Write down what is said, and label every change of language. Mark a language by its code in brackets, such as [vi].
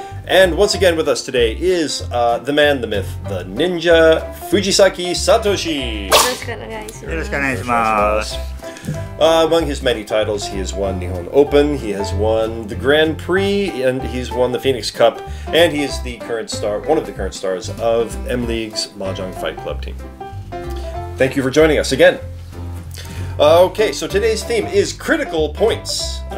[en] And once again with us today is the man, the myth, the ninja, Fujisaki Satoshi. [ja] よろしくお願いします. [en] Among his many titles, he has won Nihon Open, he has won the Grand Prix, and he's won the Phoenix Cup, and he is the current star, one of the current stars of M-League's Mahjong Fight Club team. Thank you for joining us again. Okay, so today's theme is critical points.